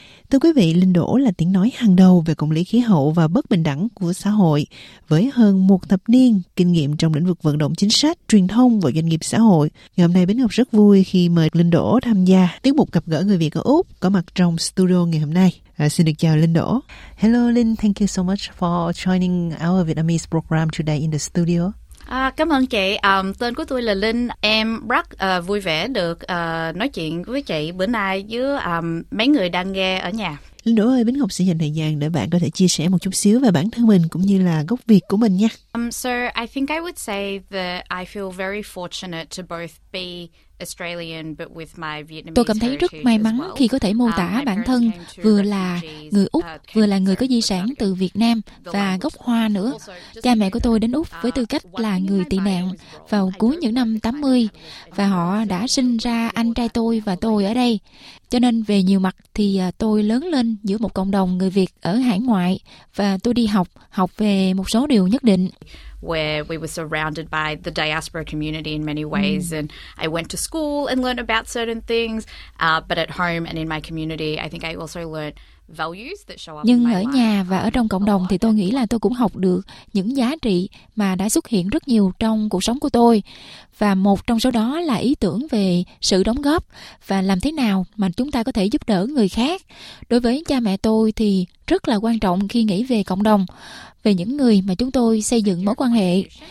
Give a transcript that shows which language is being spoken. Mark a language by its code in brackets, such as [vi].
[vi] Thưa quý vị, Linh Đỗ là tiếng nói hàng đầu về công lý khí hậu và bất bình đẳng của xã hội. Với hơn một thập niên kinh nghiệm trong lĩnh vực vận động chính sách, truyền thông và doanh nghiệp xã hội, ngày hôm nay Bến Ngọc rất vui khi mời Linh Đỗ tham gia tiết mục gặp gỡ người Việt ở Úc có mặt trong studio ngày hôm nay. Xin được chào Linh Đỗ. [en] Hello Linh, thank you so much for joining our Vietnamese program today in the studio. [vi] Cảm ơn chị. Tên của tôi là Linh. Em rất vui vẻ được nói chuyện với chị bữa nay với mấy người đang nghe ở nhà. Linh Đỗ ơi, Bến Ngọc sẽ dành thời gian để bạn có thể chia sẻ một chút xíu về bản thân mình cũng như là gốc Việt của mình nha. [en] So I think I would say that I feel very fortunate to both be Australian but with my Vietnamese. [vi] Tôi cảm thấy rất may mắn khi có thể mô tả bản thân vừa là người Úc, vừa là người có di sản từ Việt Nam và gốc Hoa nữa. Cha mẹ của tôi đến Úc với tư cách là người tị nạn vào cuối những năm 80 và họ đã sinh ra anh trai tôi và tôi ở đây. Cho nên về nhiều mặt thì tôi lớn lên giữa một cộng đồng người Việt ở hải ngoại và tôi đi học về một số điều nhất định. [en] Where we were surrounded by the diaspora community in many ways, and I went to school and learned about certain things, but at home and in my community, I think I also learned values that show up. [vi] Nhưng ở nhà và ở trong cộng đồng thì tôi nghĩ là tôi cũng học được những giá trị mà đã xuất hiện rất nhiều trong cuộc sống của tôi, và một trong số đó là ý tưởng về sự đóng góp và làm thế nào mà chúng ta có thể giúp đỡ người khác. Đối với cha mẹ tôi thì rất là quan trọng khi nghĩ về cộng đồng, về những người mà chúng tôi xây dựng mối quan hệ.